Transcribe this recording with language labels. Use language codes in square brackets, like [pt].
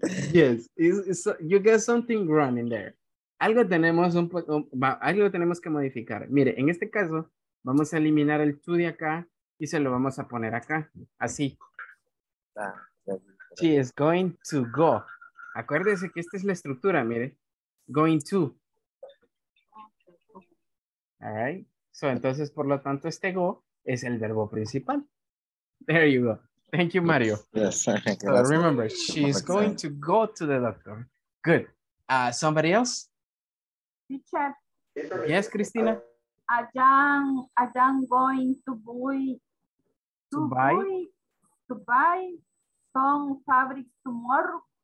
[en] Yes, it's, you get something wrong in there. [es] Algo tenemos algo tenemos que modificar. Mire, en este caso, vamos a eliminar el to de acá y se lo vamos a poner acá, así. Ah, [en] she is going to go. [es] Acuérdese que esta es la estructura, mire. [en] Going to. All right. [es] So, entonces, por lo tanto, este go es el verbo principal. [en] There you go. Thank you, Mario. Yes. So remember, she's going to go to the doctor. Good. Somebody else? Teacher. Yes, Cristina. I am going to buy some fabric tomorrow.